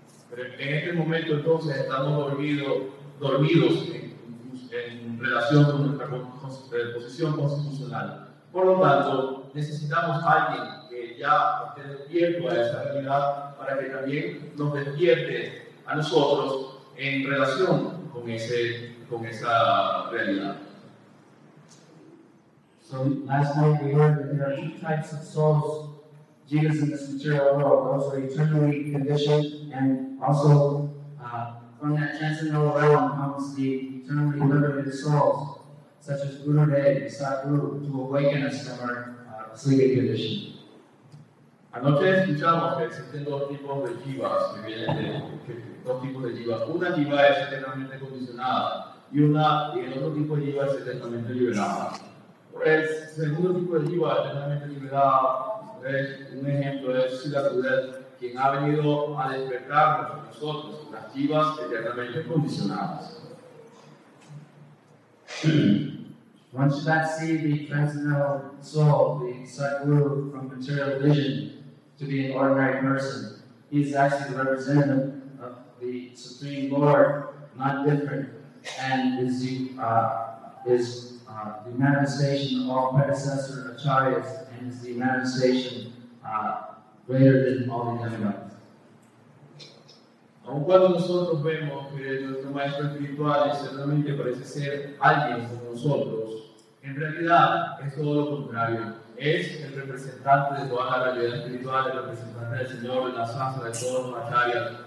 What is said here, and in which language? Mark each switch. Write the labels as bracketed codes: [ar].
[es] Pero en este momento entonces estamos dormidos en relación con nuestra posición constitucional. Por lo tanto, necesitamos a alguien que ya esté despierto a esa realidad para que también nos despierte a nosotros en relación con esa realidad. [en] So last night we heard that there are two types of souls, Jesus in this material world. Those are eternally conditioned, and also from that transcendental realm comes the eternally liberated souls, such as Guru Dev, Sadhguru, to awaken us from our sleeping condition. [es] Anoche escuchamos que existen dos tipos de jivas que vienen de dos tipos de jivas. Una jiva es eternamente condicionada y una y el otro tipo de jiva es eternamente liberada. El segundo tipo de jiva eternamente liberada es un ejemplo es Sila Kudel, quien ha venido a despertarnos a nosotros, las jivas eternamente condicionadas. [en] One should not see the transcendental soul, the Sadhguru from material vision, to be an ordinary person. He is actually the representative of the Supreme Lord, not different, and is the manifestation of all predecessor acharyas, and is the manifestation greater than all the demigods. [es] Aun cuando nosotros vemos que nuestro maestro espiritual ciertamente parece ser alguien como nosotros, en realidad es todo lo contrario. Es el representante de toda la realidad espiritual, el representante del Señor, de la Sansa, de todos los acharyas.